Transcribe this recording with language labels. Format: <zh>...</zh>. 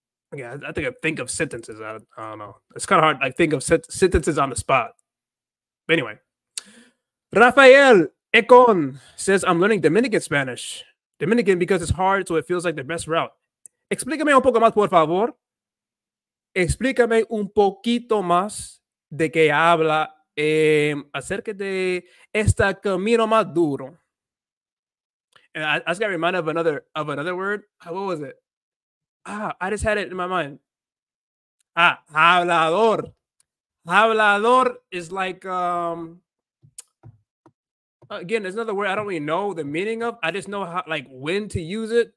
<en>Okay, I think I think of sentences. I don't know. It's kind of hard. Like think of sentences on the spot. But anyway, Rafael. Econ says, I'm learning Dominican Spanish. Dominican because it's hard, so it feels like the best route.</en> <es>Explícame un poco más, por favor. Explícame un poquito más de qué habla acerca de este camino más duro.</es> <en>And I just got reminded of another word. What was it? Ah, I just had it in my mind. Ah, hablador. Hablador is like... again, there's another word I don't really know the meaning of. I just know how, like, when to use it.</en>